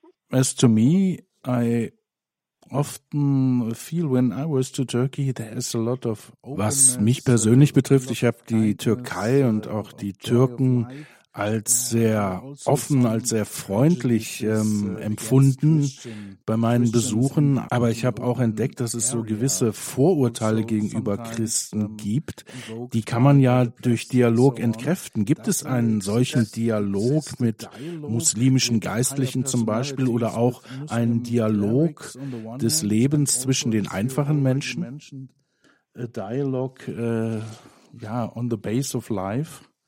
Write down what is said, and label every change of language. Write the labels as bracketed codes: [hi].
[en] As to me, I often feel when I was to Turkey, there is a lot of openness. [de] Was mich persönlich betrifft, ich habe die Türkei und auch die Türken als sehr offen, als sehr freundlich empfunden bei meinen Besuchen. Aber ich habe auch entdeckt, dass es so gewisse Vorurteile gegenüber Christen gibt. Die kann man ja durch Dialog entkräften. Gibt es einen solchen Dialog mit muslimischen Geistlichen zum Beispiel oder auch einen Dialog des Lebens zwischen den einfachen Menschen? [en] A dialogue, yeah, on the base of life.